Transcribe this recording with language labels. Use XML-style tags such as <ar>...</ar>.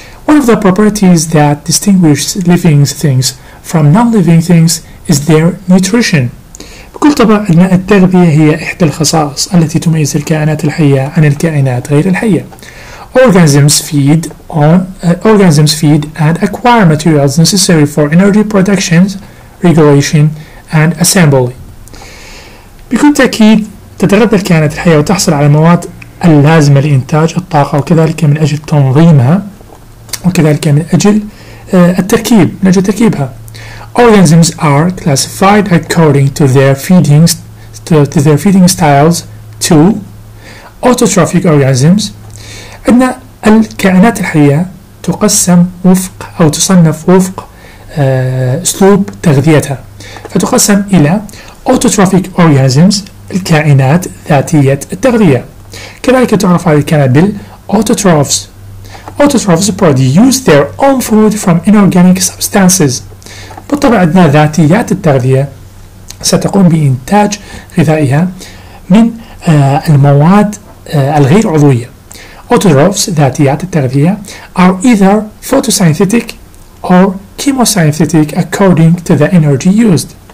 <en>One of the properties that distinguishes living things from non-living things is their nutrition.</en> <ar>بكل طبع أن التغذية هي إحدى الخصائص التي تميز الكائنات الحية عن الكائنات غير الحية.</ar> <en>Organisms feed and acquire materials necessary for energy production, regulation, and assembly.</en> <ar>بكل تأكيد تتغذى الكائنات الحية وتحصل على المواد اللازمة لإنتاج الطاقة وكذلك من أجل تنظيمها. وكذلك من أجل التركيب، من أجل تركيبها.</ar> <en>Organisms are classified according to their feedings, to their feeding styles. Two, autotrophic organisms.</en> <ar>أن الكائنات الحية تقسم وفق أو تصنف وفق أسلوب تغذيتها، فتقسم إلى</ar> <en>autotrophic organisms،</en> <ar>الكائنات ذاتية التغذية. كذلك تعرف هذه الكائنات بال autotrophs.</ar> <en>Autotrophs produce their own food from inorganic substances.</en> <ar>بالطبع عندنا ذاتيات التغذية ستقوم بإنتاج غذائها من المواد الغير عضوية.</ar> <en>Autotrophs</en> <ar>ذاتيات التغذية</ar> <en>are either photosynthetic or chemosynthetic according to the energy used.</en>